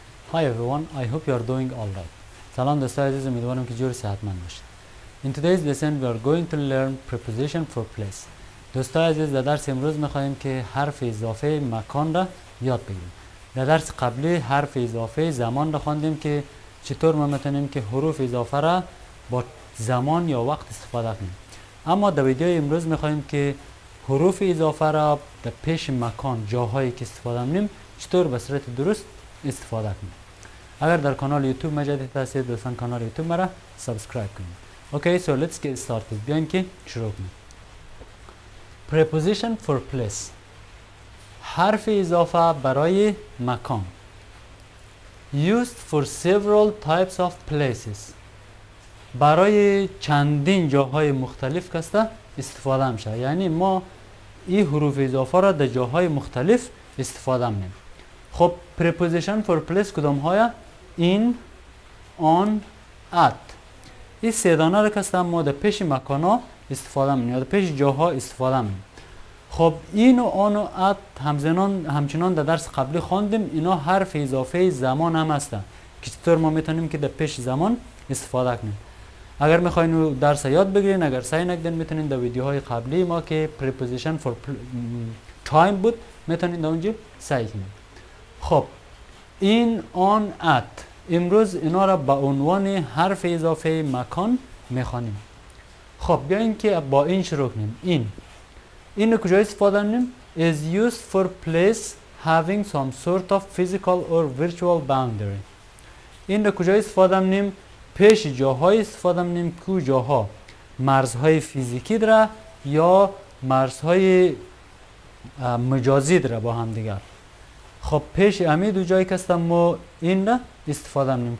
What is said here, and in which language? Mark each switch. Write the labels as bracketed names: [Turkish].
[English] Hi everyone, I hope you are doing all right. [Persian] Salam dostlar, aziz umidvarım ki cüri sehatman başın. [English] In today's lesson, we are going to learn preposition for place. [Persian] دوستای عزیز در درس امروز میخواییم که حرف اضافه مکان را یاد بگیریم. در درس قبلی حرف اضافه زمان را خواندیم که چطور ما میتونیم که حروف اضافه را با زمان یا وقت استفاده کنیم. اما در ویدیو امروز میخواییم که حروف اضافه را در پیش مکان جاهایی که استفاده کنیم چطور به صورت درست استفاده کنیم. اگر در کانال یوتیوب مجدد هستید لطفاً کانال یوتیوب مرا سابسکرایب کنید. [English] Okay, so let's get started. [Persian] بیاین که شروع کنیم. [English] Preposition for place. [Persian] حرف اضافه برای مکان. [English] Used for several types of places. [Persian] برای چندین جاهای مختلف کسته استفاده میشه. یعنی ما این حروف اضافه را در جاهای مختلف استفاده میکنیم. خب [English] preposition for place [Persian] کدام های؟ [English] In, on, at. [Persian] این سه دانه را کسته ما در پیش مکان ها استفاده میکنیم. در پیش جاها استفاده میکنیم. خب این و آن و ات همچنان در درس قبلی خواندیم اینا حرف اضافه زمان هم هستن که چطور ما میتونیم که در پیش زمان استفاده کنیم. اگر میخواین درس یاد بگیرین اگر سعی نکردین میتونین در ویدیوهای قبلی ما که [English] preposition for time [Persian] بود میتونین در اونجا سعی کنین. خب این آن ات امروز اینا را به عنوان حرف اضافه مکان میخوانیم. خب بیاین که با این شروع کنیم. این اینو کجا استفاده میکنیم؟ [English] is used for place having some sort of physical or virtual boundary. [Persian] اینو کجا استفاده میکنیم؟ پیش جاهای استفاده میکنیم که جاها مرزهای فیزیکی داره یا مرزهای مجازی داره با هم دیگر. خب پیش همه دو جایی که هستم ما این را استفاده میکنیم.